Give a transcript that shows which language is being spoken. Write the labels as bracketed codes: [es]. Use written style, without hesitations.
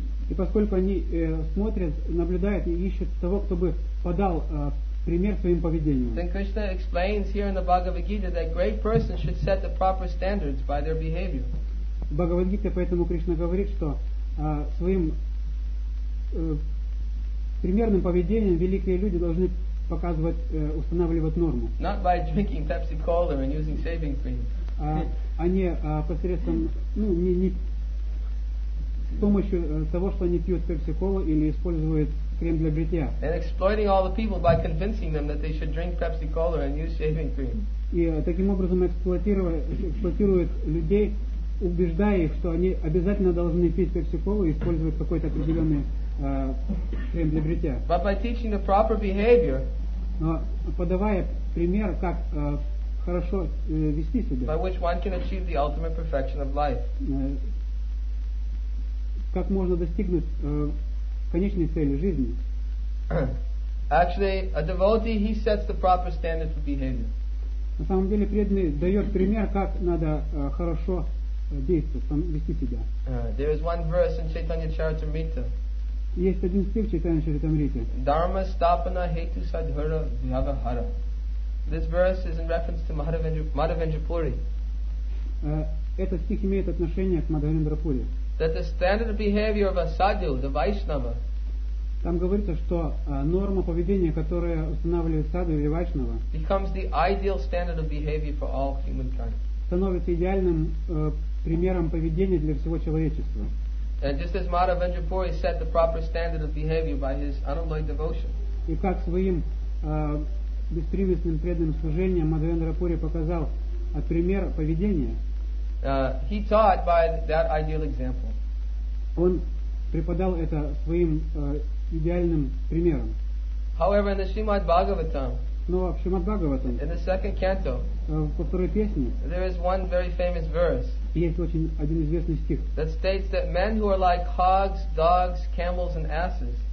[ru] И поскольку они смотрят, наблюдают и ищут того, кто бы подал пример своим поведением. [en] Then Krishna explains here in the Bhagavad Gita that great persons should set the proper standards by their behavior. [ru] В Бхагавад Гите поэтому Кришна говорит, что своим примерным поведением великие люди должны показывать, устанавливать норму. [en] Not by drinking Pepsi Cola and using shaving cream. [ru] Они посредством, ну, не с помощью того, что они пьют Pepsi Cola или используют крем для бритья. [en] And exploiting all the people by convincing them that they should drink Pepsi Cola and use shaving cream. [ru] И таким образом эксплуатируют людей, убеждая их, что они обязательно должны пить Pepsi Cola и использовать какой-то определенный крем для бритья. [en] But by teaching the proper behavior, [ru] но подавая пример, как хорошо вести себя, [en] by which one can achieve the ultimate perfection of life. [ru] Как можно достигнуть конечной цели жизни. [en] Actually, a devotee, he sets the proper standard for behavior. [ru] На самом деле, преданный дает пример, как надо хорошо действовать, там, вести себя. [en] There is one verse in Chaitanya Charitamrita. [ru] Есть один стих в Чайтанья Чаритамрите. [sa] Dharma stapana hetu sadhara vyavahara. [en] This verse is in reference to Madhavendrapuri. [ru] Этот стих имеет отношение к Мадхавендрапури. [en] That the standard of behavior of a sadhu, the Vaishnava. [ru] Там говорится, что норма поведения, которая устанавливает саду или вайшнава, [en] becomes the ideal standard of behavior for all humankind. [ru] Становится идеальным примером поведения для всего человечества. [en] And just as Madhavendrapuri set the proper standard of behavior by his unalloyed devotion. [ru] И как своим беспривестным преданным служением Мадхавендрапури показал пример поведения. [en] He taught by that ideal example. [ru] Он преподал это своим идеальным примером. [en] However, in the Srimad Bhagavatam, in the second canto, there is one very famous verse that states that men who are like hogs, dogs, camels, and asses.